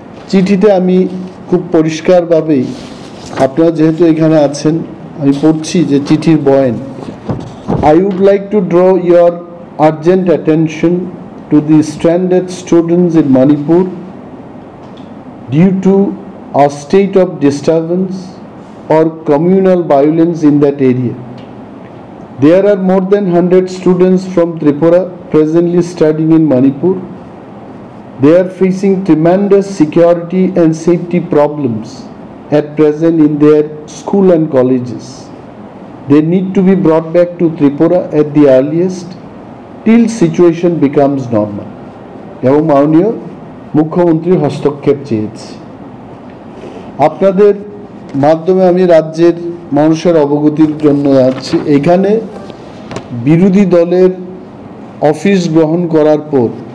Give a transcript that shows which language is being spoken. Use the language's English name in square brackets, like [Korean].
[Bangla] চিঠিতে আমি খুব পরিষ্কারভাবে, আপনারা যেহেতু এখানে আছেন, আমি পড়ছি যে চিঠির বয়ন, [English] I would like to draw your urgent attention to the stranded students in Manipur due to a state of disturbance or communal violence in that area. There are more than 100 students from Tripura presently studying in Manipur, they are facing tremendous security and safety problems at present in their school and colleges. They need to be brought back to Tripura at the earliest till situation becomes normal. [Bangla] এবং মাননীয় মুখ্যমন্ত্রী হস্তক্ষেপ চেয়েছে। আপনাদের মাধ্যমে আমি রাজ্যের মানুষের অবগতির জন্য যাচ্ছি, এখানে বিরোধী দলের অফিস গ্রহণ করার পর